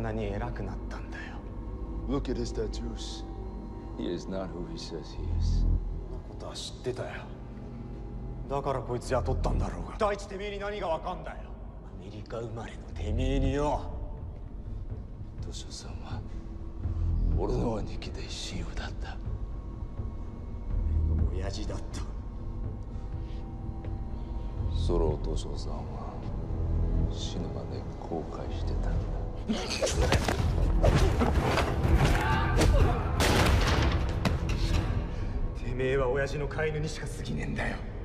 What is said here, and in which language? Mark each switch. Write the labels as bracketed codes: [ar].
[ja] とやれろ。出てけ。こいつお前の言うことは聞かねえよ。出てけよ。サブレ弾ぶっ飛んでくれ。誰がこいつ連れてきたんだよ。俺だろうが。てめえいつからそんなに偉くなったんだよ。 [en] Look at his tattoos. He is not who he says he is. [ja] そんなことは知ってたよ。だからこいつ雇ったんだろうが。第一てめえに何が分かんだよ。アメリカ生まれのてめえによ。図書さんは俺の兄貴で親友だった。親父だった。ソロー図書さんは死ぬまで後悔してたんだ。てめえは親父の飼い犬にしか過ぎねえんだよ。